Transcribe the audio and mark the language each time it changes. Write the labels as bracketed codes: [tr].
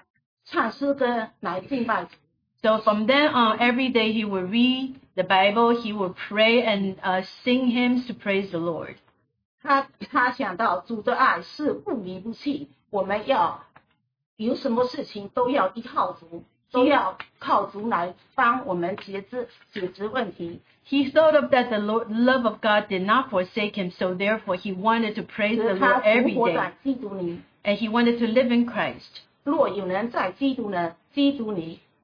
[zh] 就这样,他每天都要读经,祷告,唱诗歌,来敬拜。 [en] So from then on, every day he would read the Bible, he would pray and sing hymns to praise the Lord. [zh] 他想到主的爱是不离不弃，我们要有什么事情都要依靠主，都要靠主来帮我们解决问题。 [en] He thought of that the Lord, love of God did not forsake him, so therefore he wanted to praise the Lord every day. And he wanted to live in Christ. [zh] 若有人在基督呢，基督里。